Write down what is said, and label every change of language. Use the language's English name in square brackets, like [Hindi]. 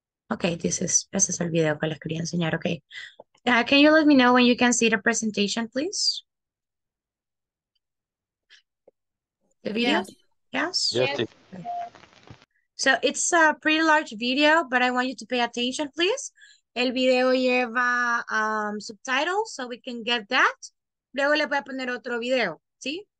[Spanish] Okay, ese es el video que les quería enseñar. [English] Okay. Can you let me know when you can see the presentation, please? The video? Yes. Yes? Yes. Yes. So it's a pretty large video, but I want you to pay attention, please. [Spanish] El video lleva [English] subtitles, so we can get that. [Spanish] Luego le voy a poner otro video, ¿sí?